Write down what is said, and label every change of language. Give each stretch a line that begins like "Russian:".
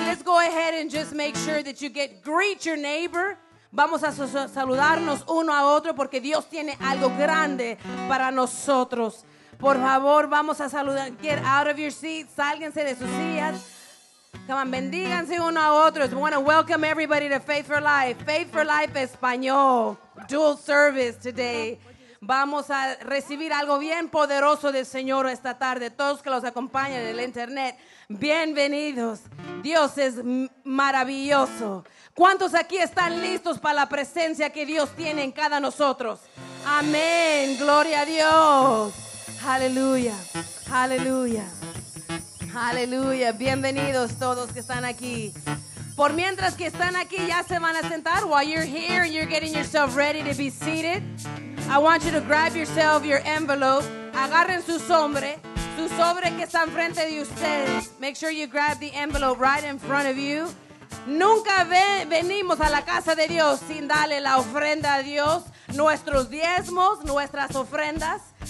English: Let's go ahead and just make sure that you get greet your neighbor.
Spanish: Vamos a saludarnos uno a otro porque Dios tiene algo grande para nosotros. Por favor, vamos a saludar.
English: Get out of your seat.
Spanish: Sálganse de sus sillas.
English: Come on,
Spanish: bendíganse uno a otro.
English: We want to welcome everybody to Faith for Life. Faith for Life Español. Dual service today.
Spanish: Vamos a recibir algo bien poderoso del Señor esta tarde. Todos que los acompañan en el internet, bienvenidos. Dios es maravilloso. ¿Cuántos aquí están listos para la presencia que Dios tiene en cada nosotros? Amén. Gloria a Dios. Aleluya. Aleluya. Aleluya. Bienvenidos todos que están aquí. Por mientras que están aquí, ya se van a sentar.
English: While you're here and you're getting yourself ready to be seated, I want you to grab yourself your envelope.
Spanish: Agarren su sobre que está enfrente de ustedes.
English: Make sure you grab the envelope right in front of you.
Spanish: Nunca venimos a la casa de Dios sin darle la ofrenda a Dios, nuestros diezmos, nuestras ofrendas.